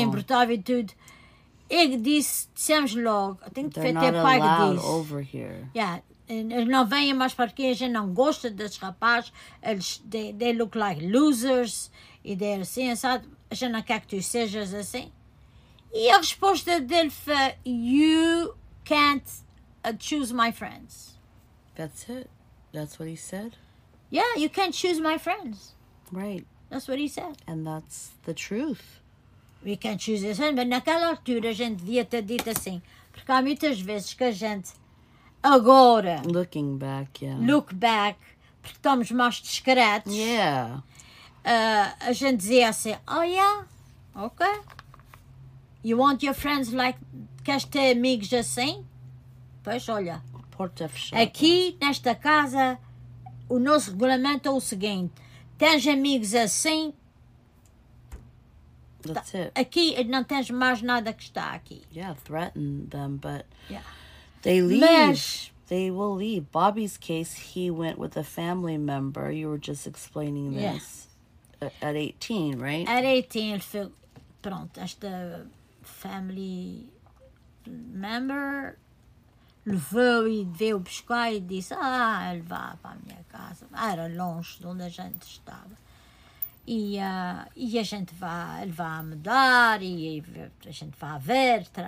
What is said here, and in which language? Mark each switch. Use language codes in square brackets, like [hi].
[pt] importavam e tudo. Ele disse, dissemos logo, tem que ter pai que disse. [en] Over here. [pt] Eles não vêm mais para aqui, a gente não gosta desses rapazes. Eles, [en] they look like losers. [pt] E daí assim, sabe? A gente não quer que tu sejas assim. E a resposta dele foi, [en] you can't choose my friends. That's it? That's what he said? Yeah, you can't choose my friends. Right. That's what he said. And that's the truth. We can't choose his friends. But [pt] naquela altura, a gente devia ter dito assim. Porque há muitas vezes que a gente, agora, [en] looking back, look back, [pt] porque estamos mais discretos. A gente dizia assim, [en] oh yeah, ok. You want your friends like, [pt] queres ter amigos assim? Pois olha, porta fechada. Aqui, nesta casa, o nosso regulamento é o seguinte, tens amigos assim, [en] that's it. [pt] Aqui não tens mais nada que está aqui. [en] Yeah, threaten them, but they leave. [pt] Mas [en] they will leave. Bobby's case, he went with a family member. You were just explaining this. Yeah. At 18, right? [pt] At 18, ele foi, pronto, esta family member levou e veio buscar e disse, ah, ele vai para a minha casa. Era longe de onde a gente estava. E a gente vai, ele vai mudar e a gente vai ver.